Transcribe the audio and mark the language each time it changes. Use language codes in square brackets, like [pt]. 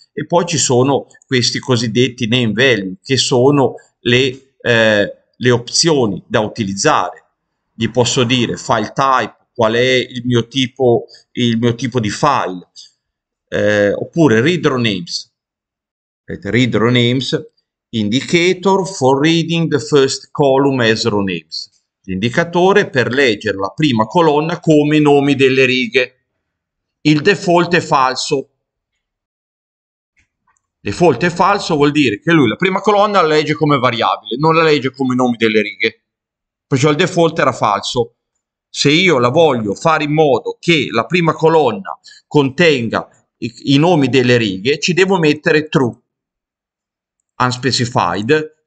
[it] E poi ci sono questi cosiddetti name value che sono le opzioni da utilizzare. Gli posso dire file type, qual è il mio tipo di file, oppure read row names. [en] Read row names, indicator for reading the first column as row names. [it] L'indicatore per leggere la prima colonna come i nomi delle righe. Il default è falso. Default è falso vuol dire che lui la prima colonna la legge come variabile, non la legge come i nomi delle righe. Perciò il default era falso. Se io la voglio fare in modo che la prima colonna contenga i nomi delle righe, ci devo mettere true, unspecified.